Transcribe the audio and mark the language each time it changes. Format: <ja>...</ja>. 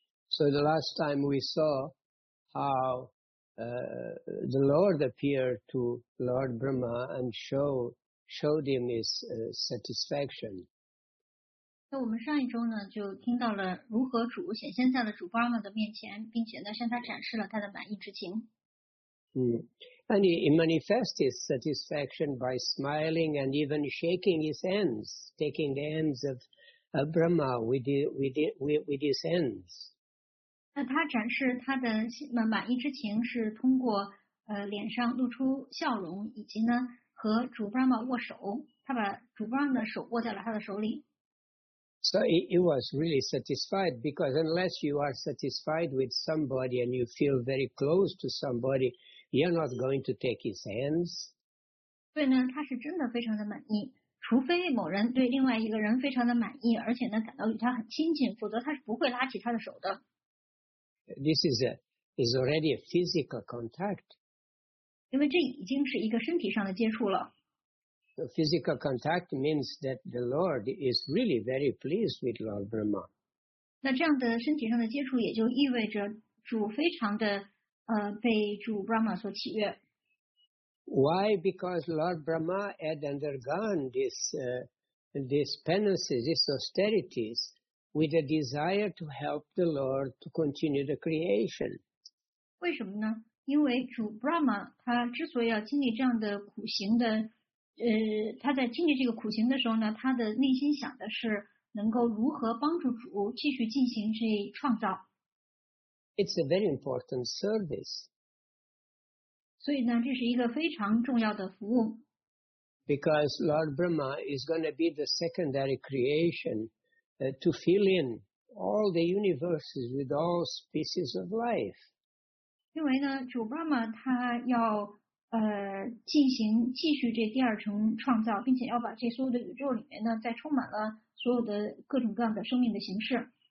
<en>So the last time we saw how the Lord appeared to Lord Brahma and showed him his satisfaction.</en> <zh>那我们上一周呢，就听到了如何主显现在了主 Brahma 的面前，并且呢向他展示了他的满意之情。</zh> <en>And he manifests his satisfaction by smiling and even shaking his hands, taking the hands of Brahma with his hands.</en> <zh>那他展示他的满意之情是通过脸上露出笑容，以及呢和主 Brahma 握手，他把主 Brahma 的手握在了他的手里。</zh> <en>So he was really satisfied, because unless you are satisfied with somebody and you feel very close to somebody, you're not going to take his hands.</en> <zh>对呢，他是真的非常的满意，除非某人对另外一个人非常的满意，而且呢感到与他很亲近，否则他是不会拉起他的手的。</zh> <en>This is already a physical contact.</en> <zh>因为这已经是一个身体上的接触了。</zh> <en>The physical contact means that the Lord is really very pleased with Lord Brahma.</en> <zh>那这样的身体上的接触也就意味着主非常的被主 Brahma 所喜悦。</zh> <en>Why? Because Lord Brahma had undergone this penances, these austerities, with a desire to help the Lord to continue the creation.</en> <zh>为什么呢？因为主 Brahma 他之所以要经历这样的苦行的他在经历这个苦行的时候呢，他的内心想的是能够如何帮助主继续进行这创造。</zh> <en>It's a very important service.</en> <zh>所以呢，这是一个非常重要的服务。</zh> <en>Because Lord Brahma is going to be the secondary creation to fill in all the universes with all species of life.</en> <zh>因为呢，主 Brahma 他要继续这第二层创造，并且要把这所有的宇宙里面呢，再充满了所有的各种各样的生命的形式。</zh>